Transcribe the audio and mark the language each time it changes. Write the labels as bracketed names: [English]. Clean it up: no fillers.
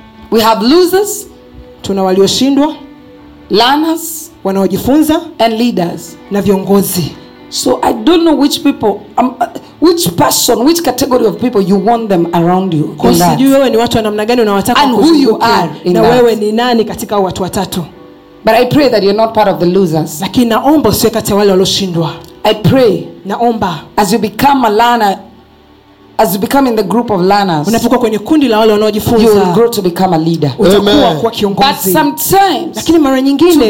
[English] We have losers. [Swahili] Tuna walioshindwa. [English] Learners. [Swahili] Wanaojifunza. [English] And leaders. [Swahili] Na viongozi. [English] So I don't know which people which person, which category of people you want them around you. [Swahili] Kwa sijui wewe ni watu wa namna gani unawataka. [English] And who you are in [Swahili] na [English] that. [Swahili] Wewe ni nani katika watu watatu. [English] But I pray that you're not part of the losers. [Swahili] Lakini naomba usiwe kati ya wale walioshindwa. [English] I pray. [Swahili] Naomba. [English] As you become a learner, as you become in the group of learners, [Swahili] unapokuwa kwenye kundi la wale wanaojifunza, [English] you will grow to become a leader. [Swahili] Utakuwa kuwa kiongozi. [English] But sometimes, [Swahili] lakini mara nyingine,